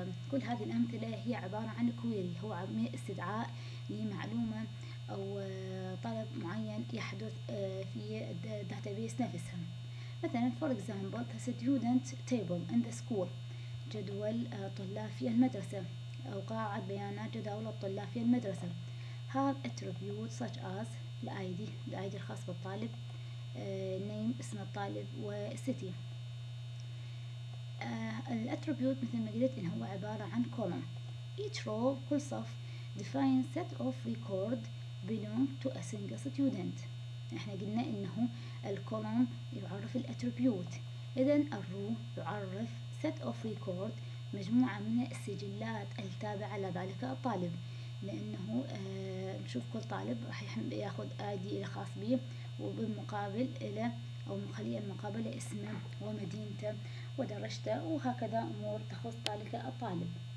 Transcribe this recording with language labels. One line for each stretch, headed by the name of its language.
Arabic: كل هذه الأمثلة هي عبارة عن كويري، هو استدعاء لمعلومة أو طلب معين يحدث في الداتابيس نفسها. مثلا
English: for example the student table in the school،
Arabic: جدول طلاب في المدرسة أو قاعد بيانات جداول الطلاب في المدرسة.
English: have attributes such as the ID
Arabic: الخاص بالطالب،
English: name
Arabic: اسم الطالب،
English: و city.
Arabic: الاتريبيوت مثل ما قلت ان هو عباره عن كولوم.
English: each row
Arabic: كل صف
English: define set of record belong to a single student.
Arabic: احنا قلنا انه الكولوم يعرف الاتريبيوت، اذا الرو يعرف
English: set of record
Arabic: مجموعه من السجلات التابعه لذلك الطالب، لانه نشوف كل طالب راح ياخذ ID الخاص به وبالمقابل له او مخليه المقابله اسمه ومدينته ودرجته وهكذا امور تخص ذلك الطالب.